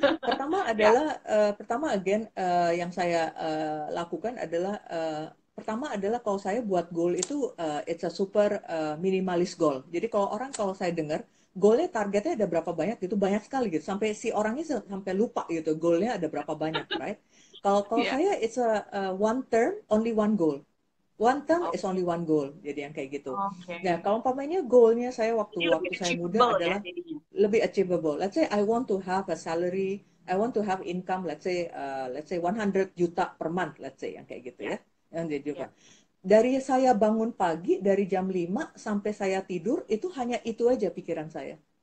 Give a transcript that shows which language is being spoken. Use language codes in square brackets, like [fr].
[id] Pertama adalah pertama again yang saya lakukan adalah pertama adalah kalau saya buat goal itu [en] it's a super minimalist goal. [id] Jadi kalau orang kalau saya dengar goalnya targetnya ada berapa banyak itu banyak sekali gitu sampai si orangnya sampai lupa gitu goalnya ada berapa banyak, right? [en] Kalau saya it's a one term only one goal. One term is only one goal. [id] Jadi yang kayak gitu. Nah, kalau umpamanya goalnya saya waktu [en] waktu saya muda adalah lebih achievable. Let's say I want to have a salary, I want to have income let's say 100 juta per month, let's say [id] yang kayak gitu ya. Dari saya bangun pagi dari jam 5 sampai saya tidur itu hanya itu aja pikiran saya.